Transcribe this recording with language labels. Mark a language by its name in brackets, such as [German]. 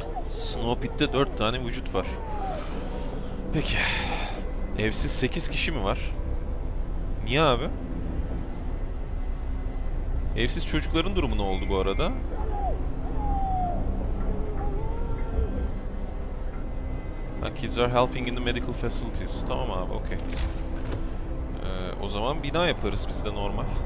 [Turkish] Snowpit'te 4 tane vücut var. Peki. Evsiz 8 kişi mi var? Niye abi? Evsiz çocukların durumu ne oldu bu arada? [English] Ha, kids are helping in the medical facilities. [Turkish] Tamam abi, okey. O zaman bina yaparız biz de normal.